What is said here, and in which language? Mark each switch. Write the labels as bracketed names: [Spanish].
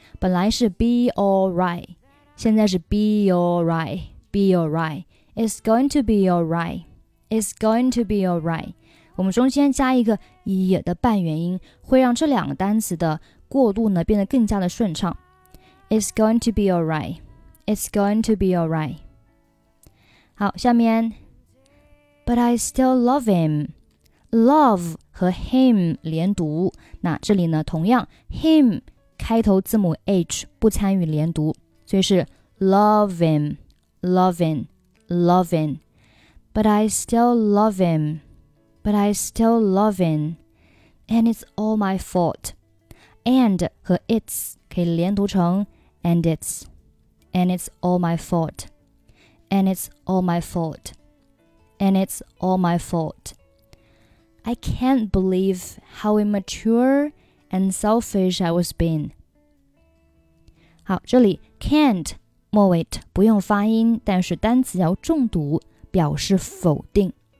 [Chinese] 本来是 [English] be alright, [Chinese] 现在是 [English] be alright, be alright, it's going to be alright, it's going to be alright. [Chinese] 我们中间加一个 也 的半元音，会让这两个单词的过渡呢变得更加的顺畅。 [English] It's going to be alright, it's going to be alright. [Chinese] 好，下面 [English] But I still love him. [Chinese] Love 和 him 连读，那这里呢同样 him开头字母 H 不参与连读，所以是 [English] love him, love him, love him. But I still love him, but I still love him. And it's all my fault. And 和 it's [Chinese] 可以连读成 [English] and it's all my fault, and it's all my fault, and it's all my fault. I can't believe how immature and selfish I was being. [Chinese] 好，这里 can't 末尾 t 不用发音，但是单词要重读，表示否定。